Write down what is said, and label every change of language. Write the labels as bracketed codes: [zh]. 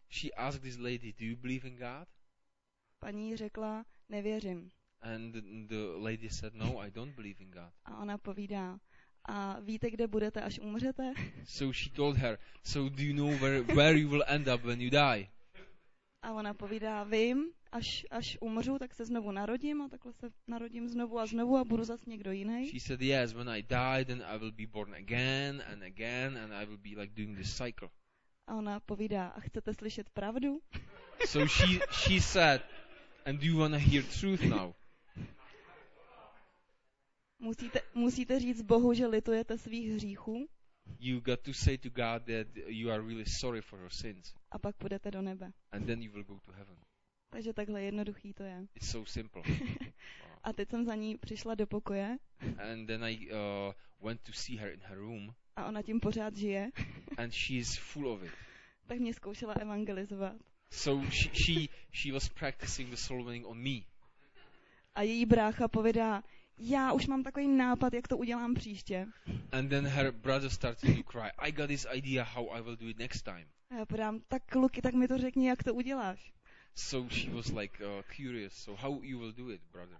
[en] She asked this lady, do you believe in God? [cs] Paní řekla, nevěřím. [en] And the lady said, no, I don't believe in God. [cs] A ona povídá, a víte, kde budete, až umřete? [en] So she told her, so do you know where you will end up when you die? [cs] A ona povídá, vím, až umřu, tak se znovu narodím a takhle se narodím znovu a budu zas někdo jiný. [en] She said, yes, when I die, then I will be born again and again and I will be like doing this cycle. [cs] A ona povídá, a chcete slyšet pravdu? [en] So she said, and do you want to hear truth now? [cs] Musíte říct Bohu, že litujete svých hříchů. [en] You got to say to God that you are really sorry for your sins. [cs] A pak půjdete do nebe. [en] And then you will go to heaven. [cs] Takže takhle jednoduchý to je. [en] It's so simple. [cs] A teď jsem za ní přišla do pokoje. [en] And then I went to see her in her room. [cs] A ona tím pořád žije. [en] And she is full of it. [cs] Tak mě zkoušela evangelizovat. [en] So she was practicing the soul winning on me. [cs] A její brácha povídá, já už mám takový nápad, jak to udělám příště. [en] And then her brother started to cry. I got this idea how I will do it next time. [cs] A já podám, tak kluky, tak mi to řekni, jak to uděláš. [en] So she was like curious, so how you will do it, brother.